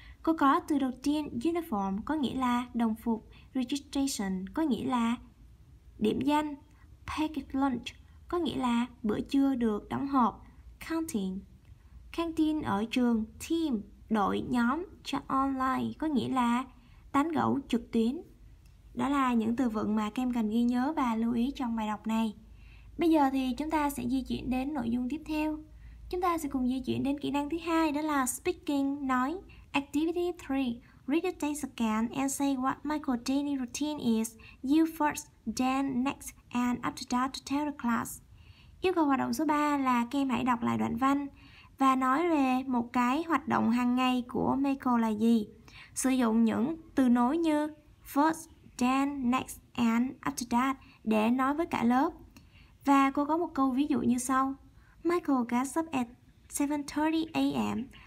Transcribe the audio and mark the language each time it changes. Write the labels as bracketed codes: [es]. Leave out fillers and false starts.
[vi] Cô có từ đầu tiên uniform có nghĩa là đồng phục, registration có nghĩa là điểm danh, packet lunch có nghĩa là bữa trưa được đóng hộp, canteen, canteen ở trường, team, đội, nhóm, chat online có nghĩa là tán gẫu trực tuyến. Đó là những từ vựng mà các em cần ghi nhớ và lưu ý trong bài đọc này. Bây giờ thì chúng ta sẽ di chuyển đến nội dung tiếp theo. Chúng ta sẽ cùng di chuyển đến kỹ năng thứ hai, đó là speaking, nói. [en] Activity 3. Read the text again and say what Michael's daily routine is. You first, then next, and after that to tell the class. [vi] Yêu cầu hoạt động số 3 là các em hãy đọc lại đoạn văn và nói về một cái hoạt động hàng ngày của Michael là gì. Sử dụng những từ nối như first, then, next, and after that để nói với cả lớp. Và cô có một câu ví dụ như sau. [en] Michael gets up at 7:30 a.m.